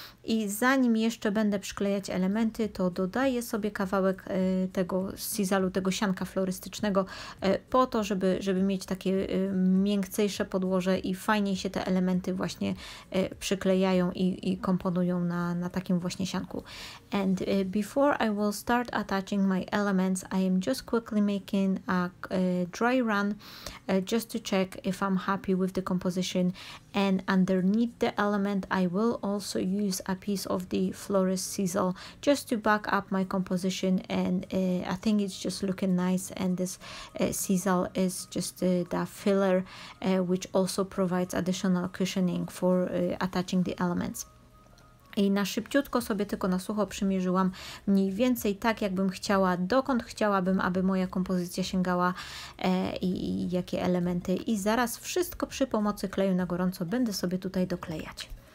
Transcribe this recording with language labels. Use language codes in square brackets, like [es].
[pl] I zanim jeszcze będę przyklejać elementy, to dodaję sobie kawałek tego sisalu, tego sianka florystycznego, po to, żeby mieć takie miękcejsze podłoże i fajniej się te elementy właśnie przyklejają i komponują na takim właśnie sianku. [en] And before I will start attaching my elements, I am just quickly making a dry run just to check if I'm happy with the composition. And underneath the element I will also use a piece of the florist sisal just to back up my composition, and I think it's just looking nice, and this sisal is just the filler which also provides additional cushioning for attaching the elements. [pl] I na szybciutko sobie tylko na sucho przymierzyłam mniej więcej tak, jakbym chciała, dokąd chciałabym, aby moja kompozycja sięgała i jakie elementy. I zaraz wszystko przy pomocy kleju na gorąco będę sobie tutaj doklejać.